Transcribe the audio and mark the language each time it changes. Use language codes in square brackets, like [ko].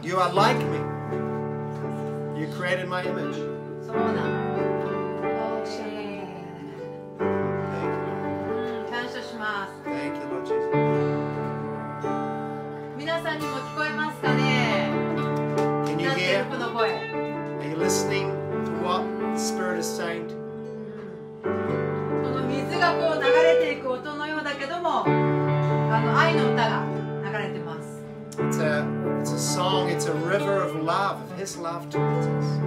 [en] You are like me. You created my image. [ja] そうなの。おしゃれ。 [en] Thank you. [ja] 感謝します。 [en] Thank you, Lord Jesus. [ja] 皆さんにも聞こえますかね。 [en] Can you hear? [ja] この声。 [en] Are you listening to what the Spirit is saying? [ja] この水がこう流れていく音のようだけども、あの愛の歌が流れてます。 [en] It's a song, it's a river of love, of His love towards us.